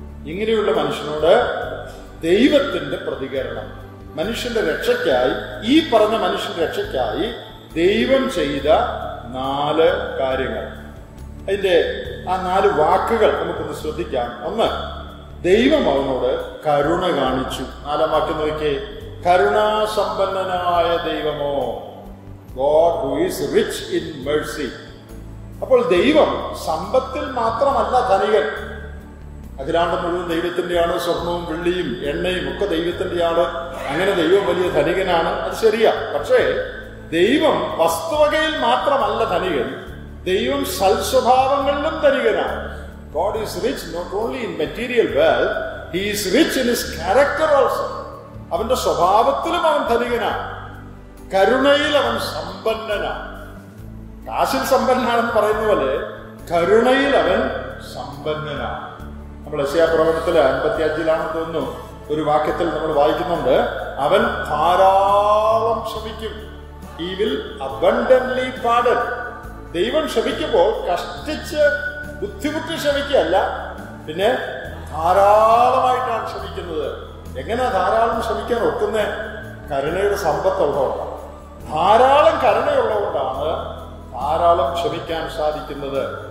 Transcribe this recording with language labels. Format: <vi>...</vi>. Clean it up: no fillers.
<ml>ഇങ്ങനെയുള്ള മനുഷ്യനോട് ദൈവത്തിന്റെ പ്രതികരണം, മനുഷ്യന്റെ രക്ഷയ്ക്കായി, ഈ പറഞ്ഞ മനുഷ്യന്റെ രക്ഷയ്ക്കായി ദൈവം ചെയ്ത 4 കാര്യങ്ങൾ. അതിന്റെ ആ 4 വാക്കുകൾ നമുക്കൊന്ന് ശ്രദ്ധിക്കാം. 1, ദൈവം അവനോട് കരുണ കാണിച്ചു. 4 വാക്യം നോക്കിയേ, കരുണാസമ്പന്നനായ ദൈവമോ,</ml> <en>God who is rich in mercy.</en> <ml>അപ്പോൾ ദൈവം സമ്പത്തിൽ മാത്രമല്ല ധനികൻ, അഖിലാണ്ട് മുഴുവൻ ദൈവത്തിന്റെയാണ്, സ്വർണവും വെള്ളിയും എണ്ണയും ഒക്കെ ദൈവത്തിന്റെയാണ്, അങ്ങനെ ദൈവം വലിയ ധനികനാണ്, അത് ശരിയാ. പക്ഷേ ദൈവം വസ്തുവകയിൽ മാത്രമല്ല ധനികൻ, ദൈവം സൽസ്വഭാവങ്ങളിലും ധനികനാണ്.</ml> <en>God is rich not only in material wealth, he is rich in his character also.</en> <ml>അവന്റെ സ്വഭാവത്തിലും അവൻ ധനികനാണ്, കരുണയിൽ അവൻ സമ്പന്നനാണ്. കാശിൽ സമ്പന്നനാണെന്ന് പറയുന്ന പോലെ കരുണയിൽ അവൻ സമ്പന്നനാണ്. നമ്മൾ ഏശയ്യാ പ്രവചനത്തിൽ 55-ലാണെന്ന് തോന്നുന്നു ഒരു വാക്യത്തിൽ നമ്മൾ വായിക്കുന്നുണ്ട്, അവൻ ധാരാളം ക്ഷമിക്കും.</ml> <en>He will abundantly pardon.</en> <ml>ദൈവം ക്ഷമിക്കുമ്പോൾ കഷ്ടിച്ച് ബുദ്ധിമുട്ടി ക്ഷമിക്കുകയല്ല, പിന്നെ ധാരാളമായിട്ടാണ് ക്ഷമിക്കുന്നത്. എങ്ങനെയാ ധാരാളം ക്ഷമിക്കാൻ ഒക്കുന്നേ? കരുണയുടെ സമ്പത്തുള്ളതുകൊണ്ടാണ്, ധാരാളം കരുണയുള്ളതുകൊണ്ടാണ് ധാരാളം ക്ഷമിക്കാൻ സാധിക്കുന്നത്.</ml>